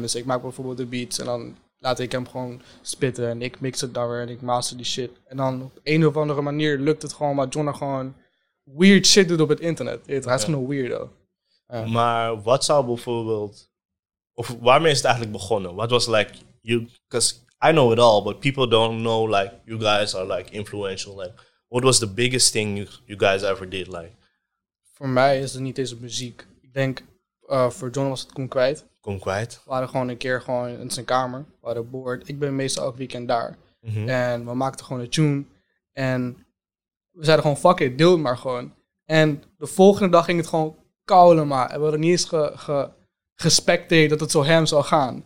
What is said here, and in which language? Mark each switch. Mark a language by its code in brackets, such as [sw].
[nl] Dus ik maak bijvoorbeeld de beats en dan laat ik hem gewoon spitten. En ik mix het dan weer en ik master die shit. En dan op een of andere manier lukt het gewoon, maar Jonna gewoon weird shit doet op het internet. Hij is gewoon een weirdo. Maar wat zou bijvoorbeeld... Of waarmee is het eigenlijk begonnen? Wat was like... [en] Because I know it all, but people don't know like you guys are like influential, like... What was the biggest thing you guys ever did? Like? [nl] Voor mij is het niet deze muziek. Ik denk, voor John was het Kom Kwijt. Kom Kwijt. We waren gewoon een keer gewoon in zijn kamer. We hadden boord. Ik ben meestal elk weekend daar. Mm-hmm. En we maakten gewoon een tune. En we zeiden gewoon, fuck it, deel het maar gewoon. En de volgende dag ging het gewoon kouwen, maar. En we hadden niet eens gespecteerd dat het zo hem zou gaan.